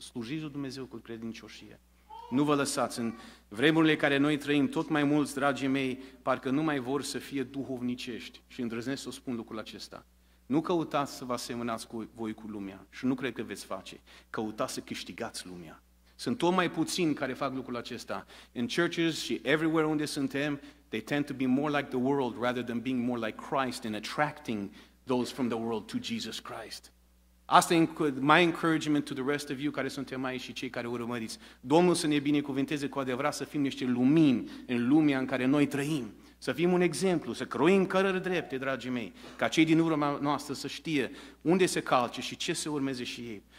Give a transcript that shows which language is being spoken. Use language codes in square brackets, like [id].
[ro] Slujiți-o Dumnezeu cu credincioșie. Nu vă lăsați în vremurile care noi trăim, tot mai mulți, dragii mei, parcă nu mai vor să fie duhovnicești. Și îndrăznesc să spun lucrul acesta. Nu căutați să vă asemănați cu voi cu lumea și nu cred că veți face. Căutați să câștigați lumea. Sunt tot mai puțini care fac lucrul acesta. [en] În churches și everywhere [ro] unde suntem, [en] they tend to be more like the world rather than being more like Christ and attracting those from the world to Jesus Christ. [ro] Asta e [en] my encouragement to the rest of you [ro] care suntem aici și cei care urmăriți. Domnul să ne binecuvinteze cu adevărat să fim niște lumini în lumea în care noi trăim. Să fim un exemplu, să croim cărări drepte, dragii mei, ca cei din urma noastră să știe unde se calce și ce se urmeze și ei.